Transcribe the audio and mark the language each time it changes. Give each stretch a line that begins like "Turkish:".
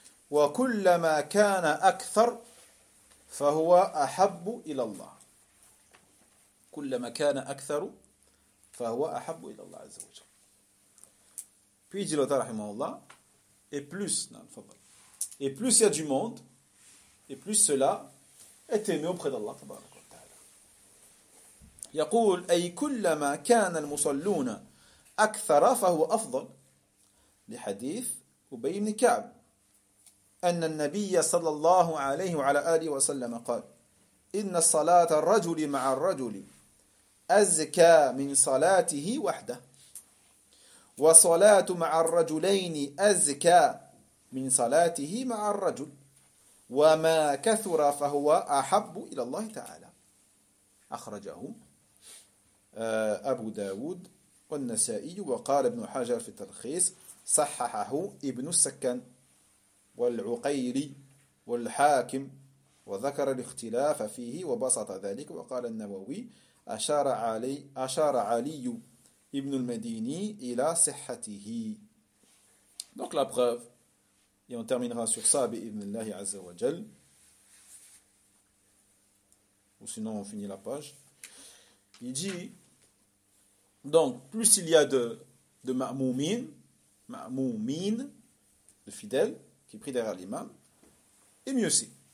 Arabic: وكلما كان أكثر فهو أحب إلى الله كلما كان أكثر فهو أحب إلى الله عز وجل.
French: Puis dit l'auteur
Arabic: رحمه الله
French: et plus il y a du monde et plus cela est aimé auprès d'Allah
Arabic: tabaraka wa ta'ala. يقول اي كلما كان المصلون اكثر فهو افضل لحديث ابي بن كعب ان النبي صلى الله عليه وعلى اله وسلم قال ان الصلاه الرجل مع الرجل ازكى من صلاته وحده وصلاه مع الرجلين ازكى من صلاته مع الرجل وما كثر فهو احب الى الله تعالى اخرجه أبو داود والنسائي وقال ابن حجر في التلخيص صححه ابن السكن والعقيري والحاكم وذكر الاختلاف فيه وبسط ذلك وقال النووي أشار علي ابن المديني إلى صحته.
French: Donc la preuve, et on terminera sur ça
Arabic: بإذن الله عز وجل,
French: ou sinon on finit la page. Il dit donc, plus il y a de ma'moumin, de fidèles, qui prient derrière l'imam, et mieux c'est.